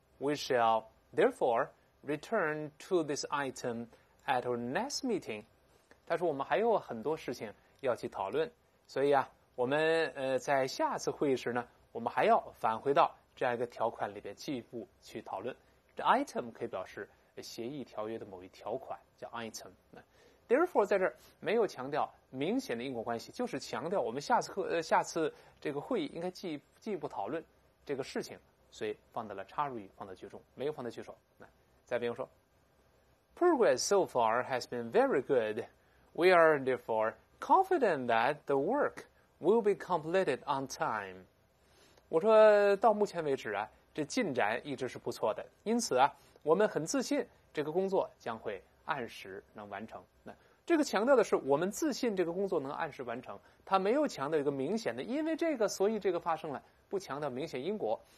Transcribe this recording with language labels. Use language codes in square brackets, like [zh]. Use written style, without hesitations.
[en] We shall therefore return to this item at our next meeting. [zh] 他说我们还有很多事情要去讨论，所以啊我们在下次会议时呢，我们还要返回到这样一个条款里边进一步去讨论。这 item 可以表示协议条约的某一条款，叫 item。 therefore 在这儿没有强调明显的因果关系，就是强调我们下次这个会议应该进一步讨论这个事情，所以放在了插入语放在句中，没有放在句首。再比如说 [en] Progress so far has been very goodWe are therefore confident that the work will be completed on time. [zh] 我说到目前为止啊，这进展一直是不错的，因此啊，我们很自信这个工作将会按时能完成。那这个强调的是我们自信这个工作能按时完成，它没有强调一个明显的因为这个所以这个发生了，不强调明显因果。